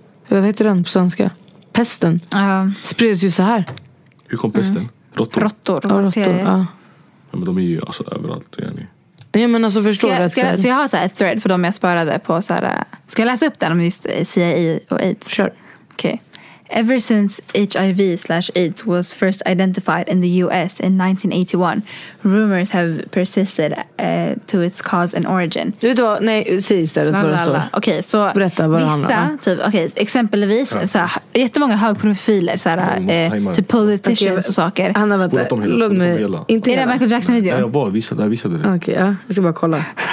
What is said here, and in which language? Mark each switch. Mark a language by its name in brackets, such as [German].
[Swedish] Vad heter den på svenska? Pesten. Sprids ju så här. Hur kom pesten? Råttor. Råttor. Men de är ju alltså överallt. Jenny. Ja, men alltså förstår jag, du att... Jag, för jag har så här ett thread för dem jag sparade på så här... Ska jag läsa upp den om just CIA och AIDS? Kör. Sure. Okej. Okay. [English] Ever since HIV/AIDS was first identified in the US in 1981, rumors have persisted to its cause and origin. [Swedish] Du då, nej, säg istället vad det står. Okej, så berätta vad vissa, det handlar om. Typ, okay, exempelvis, ja. Så här, jättemånga högprofiler, så här, typ politicians och saker. Anna, vänta, låt mig inte hela. Är det Michael Jackson-video? Nej, jag visade det. Visa det. Okej, okay, ja, jag ska bara kolla.